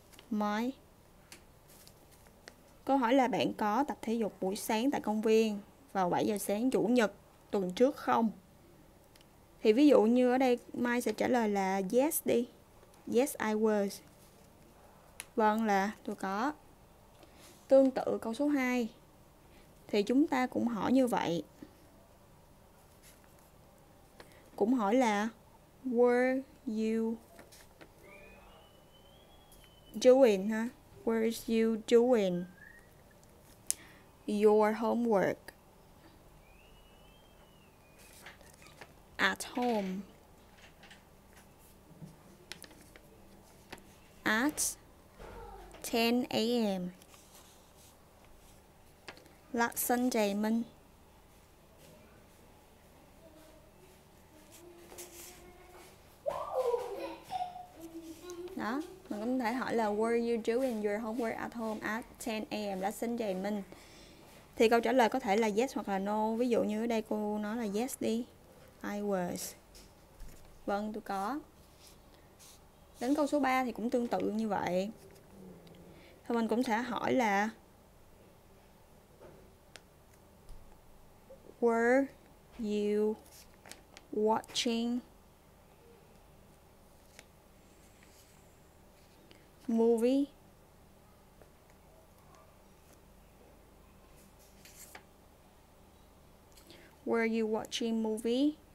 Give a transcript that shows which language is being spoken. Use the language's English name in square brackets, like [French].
[Vietnamese] My câu hỏi là bạn có tập thể dục buổi sáng tại công viên vào 7 giờ sáng chủ nhật tuần trước không? Thì ví dụ như ở đây Mai sẽ trả lời là yes đi. [English] Yes I was. [Vietnamese] Vâng là tôi có. Tương tự câu số 2 thì chúng ta cũng hỏi như vậy. Cũng hỏi là [English] were you doing were you doing your homework at home at 10 a.m. last Sunday [Vietnamese] mình. Đó, mình cũng có thể hỏi là [English] were you doing your homework at home at 10 a.m. last Sunday [Vietnamese] mình. Thì câu trả lời có thể là yes hoặc là no. Ví dụ như ở đây cô nói là yes đi. [English] I was. [Vietnamese] Vâng, tôi có. Đến câu số 3 thì cũng tương tự như vậy. Thì mình cũng sẽ hỏi là [English] were you watching movie were you watching movie